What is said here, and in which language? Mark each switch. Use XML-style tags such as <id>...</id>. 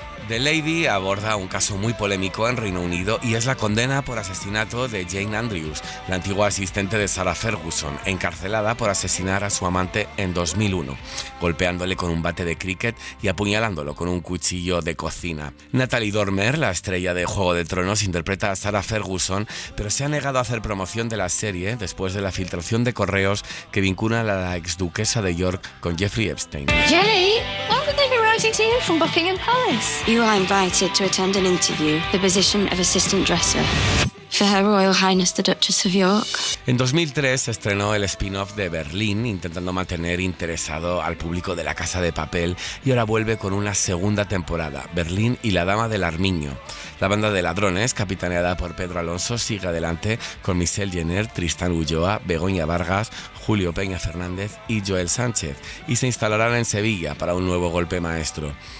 <es>The Lady aborda un caso muy polémico en Reino Unido y es la condena por asesinato de Jane Andrews, la antigua asistente de Sarah Ferguson, encarcelada por asesinar a su amante en 2001, golpeándole con un bate de cricket y apuñalándolo con un cuchillo de cocina. Natalie Dormer, la estrella de Juego de Tronos, interpreta a Sarah Ferguson, pero se ha negado a hacer promoción de la serie después de la filtración de correos que vincula a la exduquesa de York con Jeffrey Epstein.</es> <en>Jenny, writing to you from Buckingham Palace. You are invited to attend an interview, the position of assistant dresser. For Her Royal Highness the Duchess of York.</en> <es>En 2003 se estrenó el spin-off de Berlín, intentando mantener interesado al público de La Casa de Papel, y ahora vuelve con una segunda temporada, Berlín y la Dama del Armiño. La banda de ladrones, capitaneada por Pedro Alonso, sigue adelante con Michelle Jenner, Tristán Ulloa, Begoña Vargas, Julio Peña Fernández y Joel Sánchez, y se instalarán en Sevilla para un nuevo golpe maestro.</es>